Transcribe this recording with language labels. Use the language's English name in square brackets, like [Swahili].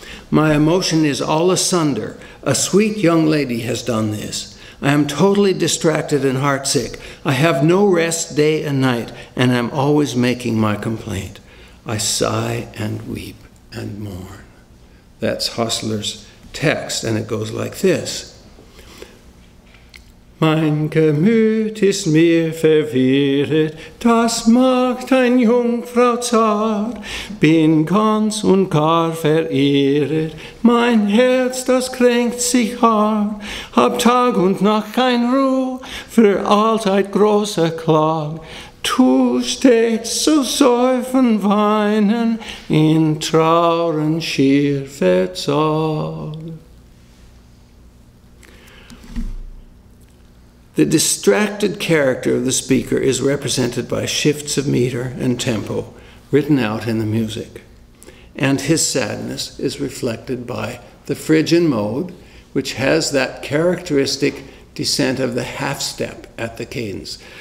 [English] My emotion is all asunder. A sweet young lady has done this. I am totally distracted and heartsick. I have no rest day and night, and I'm always making my complaint. I sigh and weep and mourn. That's Hostler's text, and it goes like this. [German] Mein Gemüt ist mir verwirret, das macht ein Jungfrau zart. Bin ganz und gar verirret, mein Herz, das kränkt sich hart. Hab Tag und Nacht kein Ruh, für Allzeit große Klag. Tu stets zu säufen weinen, in Trauren schier verzag. [English] The distracted character of the speaker is represented by shifts of meter and tempo written out in the music. And his sadness is reflected by the Phrygian mode, which has that characteristic descent of the half step at the cadence.